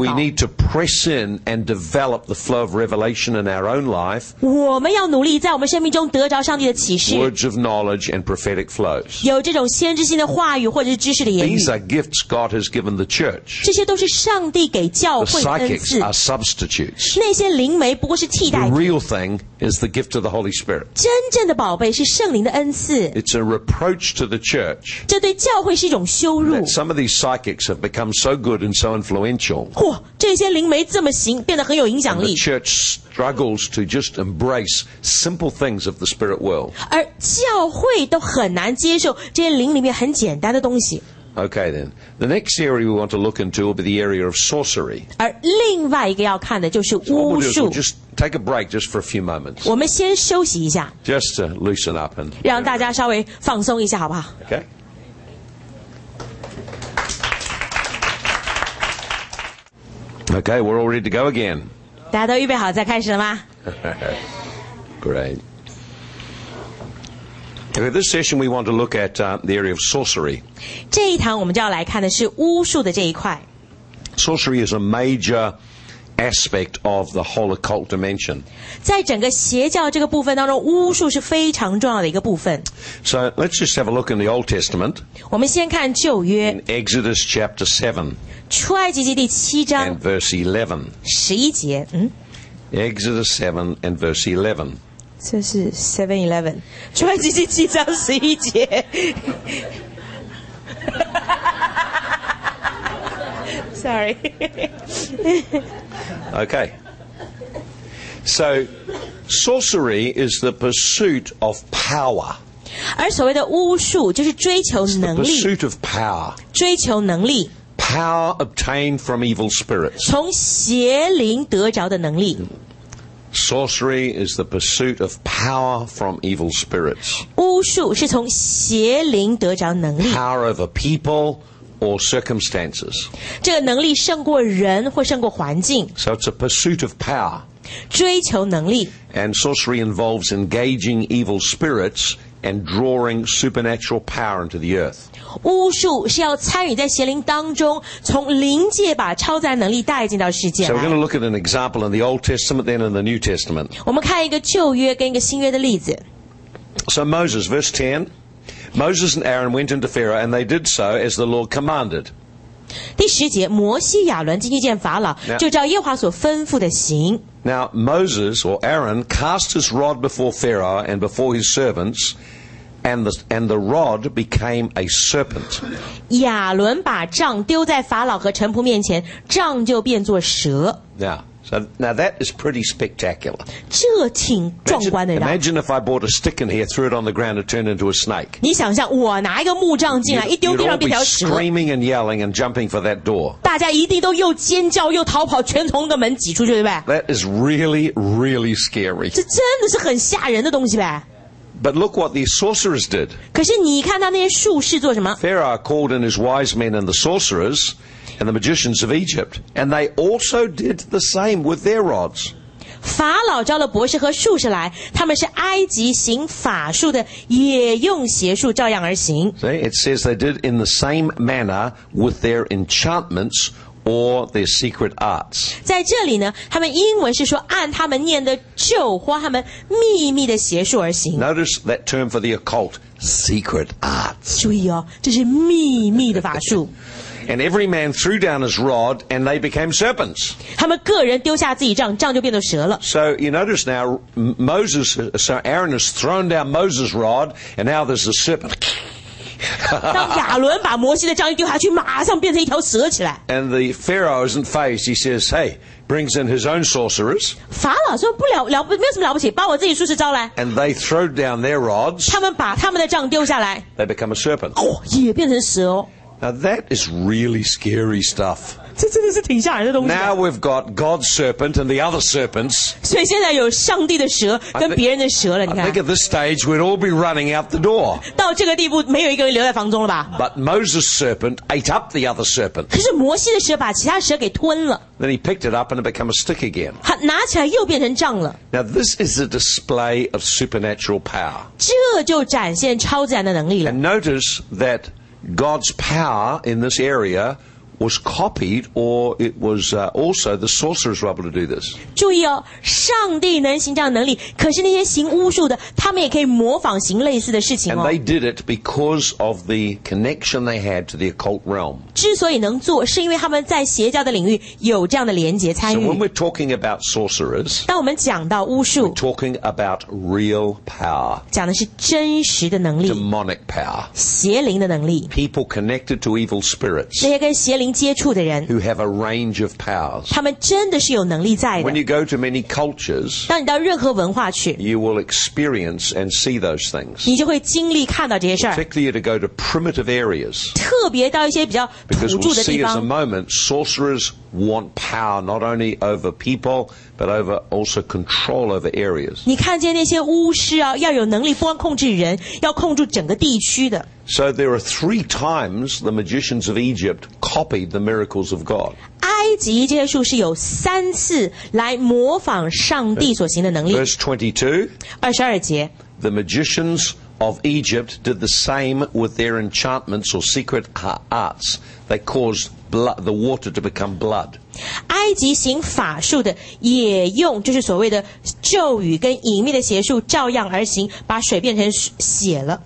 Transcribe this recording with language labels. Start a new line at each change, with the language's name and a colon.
English: We need to press in and develop the flow of revelation in our own life.
Chinese: 我们要努力在我们生命中得着上帝的启示。
English: Words of knowledge and prophetic flows.
Chinese: 有这种先知性的话语或者是知识的言语。
English: These are gifts God has given the church.
Chinese: 这些都是上帝给教会的恩赐。
English: The psychics are substitutes.
Chinese: 那些灵媒不过是替代品。
English: The real thing is the gift of the Holy Spirit.
Chinese: 真正的宝贝是圣灵的恩赐。
English: It's a reproach to the church.
Chinese: 这对教会是一种羞辱。
English: That some of these psychics have become so good and so influential.
Chinese: 嚯，这些灵媒这么行，变得很有影响力。
English: And the church struggles to just embrace simple things of the spirit world.
Chinese: 而教会都很难接受这些灵里面很简单的东西。
English: Okay then, the next area we want to look into will be the area of sorcery.
Chinese: 而另外一个要看的就是巫术。
English: Take a break just for a few moments.
Chinese: 我们先休息一下。
English: Just to loosen up and
Chinese: 让大家稍微放松一下，好不好
English: ？Okay. Okay, we're all ready to go again.
Chinese: 大家都预备好再开始了吗
English: ？Great. Okay, this session we want to look at the area of sorcery.
Chinese: 这一堂我们就要来看的是巫术的这一块。
English: Sorcery is a major aspect of the whole occult dimension.
Chinese: 在整个邪教这个部分当中，巫术是非常重要的一个部分。
English: So let's just have a look in the Old Testament.
Chinese: 我们先看旧约。
English: In Exodus chapter 7.
Chinese: 出埃及记第七章。
English: And verse 11.
Chinese: 十一节。嗯。
English: Exodus 7 and verse 11.
Chinese: 这是 7-11 出埃及记七章十一节Sorry
English: Okay So sorcery is the pursuit of power
Chinese: 而所谓的巫术就是追求能力
English: It's the pursuit of power
Chinese: 追求能力
English: Power obtained from evil spirits
Chinese: 从邪灵得着的能力
English: Sorcery is the pursuit of power from evil spirits.
Chinese: 巫术是从邪灵得着能力。
English: Power over people or circumstances.
Chinese: 这个能力胜过人或胜过环境。
English: So it's a pursuit of power.
Chinese: 追求能力。
English: And sorcery involves engaging evil spirits and drawing supernatural power into the earth.
Chinese: 巫术是要参与在邪灵当中，从灵界把超自然能力带进到世界来。
English: So we're going to look at an example in the Old Testament, then in the New Testament.
Chinese: 我们看一个旧约跟一个新约的例子。
English: So Moses, verse 10, Moses and Aaron went into Pharaoh, and they did so as the Lord commanded.
Chinese: 第十节，摩西、亚伦进去见法老，就照耶和华所吩咐的行。
English: Now Moses or Aaron cast his rod before Pharaoh and before his servants. And the rod became a serpent.
Chinese: 亚伦把杖丢在法老和臣仆面前，杖就变作蛇。
English: Yeah, so now that is pretty spectacular.
Chinese: 这挺壮观的。
English: Imagine if I brought a stick in here, threw it on the ground, and turned into a snake.
Chinese: 你想象我拿一个木杖进来，一丢地上变条蛇。
English: You'd all be screaming and yelling and jumping for that door.
Chinese: 大家一定都又尖叫又逃跑，全从个门挤出去，对吧
English: ？That is really, really scary.
Chinese: 这真的是很吓人的东西呗。
English: But look what these sorcerers did.
Chinese: 可是你看到那些术士做什么
English: ？Pharaoh called in his wise men and the sorcerers and the magicians of Egypt, and they also did the same with their rods.
Chinese: 法老招了博士和术士来，他们是埃及行法术的，也用邪术照样而行。
English: See, it says they did in the same manner with their enchantments or their secret arts.
Chinese: 在这里呢，他们英文是说按他们念的咒或他们秘密的邪术而行。
English: Notice that term for the occult, secret arts.
Chinese: 注意哦，这是秘密的法术。
English: And every man threw down his rod, and they became serpents.
Chinese: 他们个人丢下自己杖，杖就变成蛇了。
English: So you notice now, Aaron has thrown down Moses' rod, and now there's a serpent.
Chinese: 当亚伦把摩西的杖一丢下去，马上变成一条蛇起来。
English: And the Pharaoh isn't fazed. He says, "Hey, brings in his own sorcerers."
Chinese: 法老说不了了，没有什么了不起，把我自己术士招来。
English: And they throw down their rods.
Chinese: 他们把他们的杖丢下来。
English: They become a serpent.
Chinese: 也变成蛇哦。
English: Now that is really scary stuff.
Chinese: 这真的是挺吓人的东西。
English: Now we've got God's serpent and the other serpents.
Chinese: 所以现在有上帝的蛇跟别人的蛇了，你看。
English: I think at this stage we'd all be running out the door.
Chinese: 到这个地步没有一个人留在房中了吧。
English: But Moses' serpent ate up the other serpent.
Chinese: 可是摩西的蛇把其他蛇给吞了。
English: Then he picked it up and it became a stick again.
Chinese: 拿起来又变成杖了。
English: Now this is a display of supernatural power.
Chinese: 这就展现超自然的能力了。
English: And notice that... God's power in this area was copied, or it was also the sorcerers were able to do this.
Chinese: 注意哦，上帝能行这样的能力，可是那些行巫术的，他们也可以模仿行类似的事情哦。
English: And they did it because of the connection they had to the occult realm.
Chinese: 之所以能做，是因为他们在邪教的领域有这样的连结参与。
English: So when we're talking about sorcerers,
Chinese: 当我们讲到巫术
English: ，we're talking about real power.
Chinese: 讲的是真实的能力
English: ，demonic power,
Chinese: 邪灵的能力
English: ，people connected to evil spirits.
Chinese: 那些跟邪灵接触的人
English: ，who have a range of powers.
Chinese: 他们真的是有能力在的。
English: When you go to many cultures,
Chinese: 当你到任何文化去
English: ，you will experience and see those things.
Chinese: 你就会经历看到这些事儿
English: ，particularly to go to primitive areas.
Chinese: 特别到一些比较
English: Because we'll see as a moment, sorcerers want power not only over people, but over also control over areas.
Chinese: 你看见那些巫师啊，要有能力不光控制人，要控制整个地区的。
English: So there are three times the magicians of Egypt copied the miracles of God.
Chinese: 埃及这些术士有三次来模仿上帝所行的能力。
English: Verse 22.
Chinese: 二十二节。
English: The magicians. Of Egypt did the same with their enchantments or secret arts. They caused blood, the water to become blood.
Chinese: 埃及行法术的也用就是所谓的咒语跟隐秘的邪术照样而行，把水变成血了。